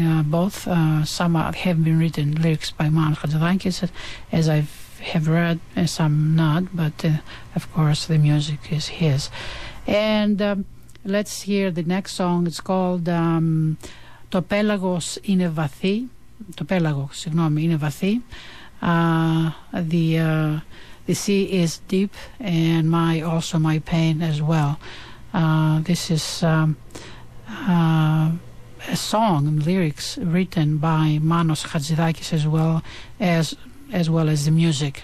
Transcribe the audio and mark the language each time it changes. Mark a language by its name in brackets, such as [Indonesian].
[English] Both some have been written lyrics by Μάνου Χατζηδάκης, as I have read, and some not, but of course the music is his. And let's hear the next song. It's called Το Πέλαγος Είναι Βαθύ. [Greek] Το πέλαγο, συγγνώμη, είναι βαθύ. [English] The sea is deep, and my pain as well. This is a song and lyrics written by Manos Hadzidakis as well as the music.